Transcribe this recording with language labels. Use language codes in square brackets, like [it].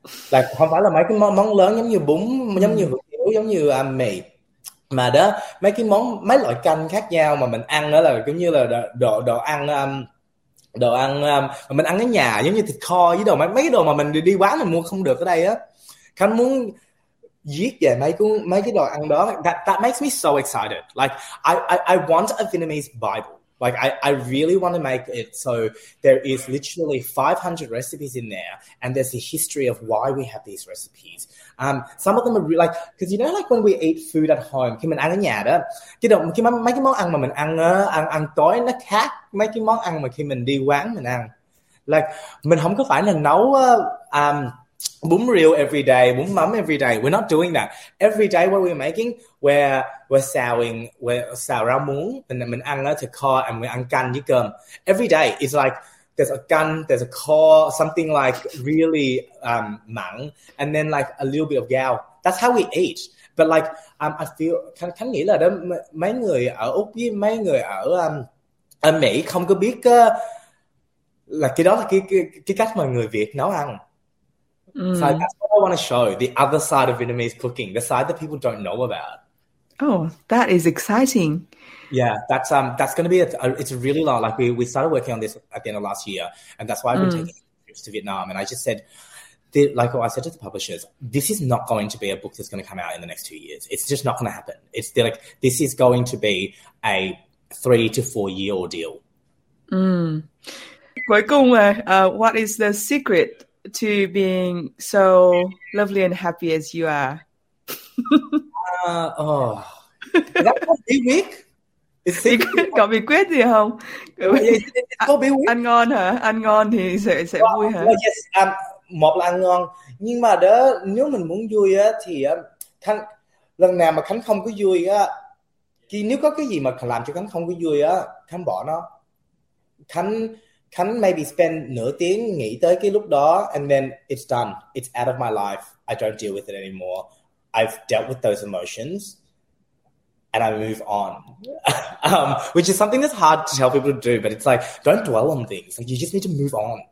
[vi] Là không phải là mấy cái món lớn giống như bún, giống như hủ tiếu, giống như mì, mà đó mấy cái món, mấy loại canh khác nhau mà mình ăn đó là cũng như là đồ ăn mà mình ăn ở nhà, giống như thịt kho với đồ mấy cái đồ mà mình đi quán mình mua không được ở đây á. Khánh muốn viết về mấy cái đồ ăn đó. [en] That makes me so excited. Like I want a Vietnamese Bible. Like I really want to make it so there is literally 500 recipes in there, and there's a history of why we have these recipes. Some of them are really like, because you know, like when we eat food at home, [vi] khi mình ăn ở nhà đó, mấy cái món ăn mà mình ăn tối nó khác mấy cái món ăn mà khi mình đi quán mình ăn. Like mình không có phải là nấu bún riêu [en] every day, [vi] bún mắm every day. [en] We're not doing that. Every day what we're making, we're [vi] xào rau muống, [en] and [vi] mình ăn to kho, [en] and we [vi] ăn canh với cơm. [en] Every day it's like there's a canh, there's a kho, something like really mặn, and then like a little bit of gao. That's how we eat. But like I feel [vi] Khánh nghĩ là đó, mấy người ở Úc với mấy người ở ở Mỹ không có biết là cái đó là cái cách mà người Việt nấu ăn. [en] So that's what I want to show, the other side of Vietnamese cooking, the side that people don't know about. Oh, that is exciting. Yeah, that's going to be it's really long. Like we started working on this at the end of last year, and that's why I've been taking trips to Vietnam. And I just said, I said to the publishers, this is not going to be a book that's going to come out in the next 2 years. It's just not going to happen. It's like, this is going to be a 3-4 year ordeal. [vi] Cuối cùng, [en] what is the secret to being so lovely and happy as you are? Is that what we make? [vi] Có bí quyết gì không? Có bí quyết. Ăn ngon hả? Ăn ngon thì sẽ vui hả? Một là ăn ngon, nhưng mà đó nếu mình muốn vui á thì Khánh, lần nào mà Khánh không có vui á, khi nếu có cái gì mà làm cho Khánh không có vui á, Khánh bỏ nó. [en] Khánh Khánh maybe spend [vi] nửa tiếng nghĩ tới cái lúc đó, [en] and then it's done, it's out of my life, I don't deal with it anymore, I've dealt with those emotions and I move on. Which is something that's hard to tell people to do, but it's like, don't dwell on things, like you just need to move on.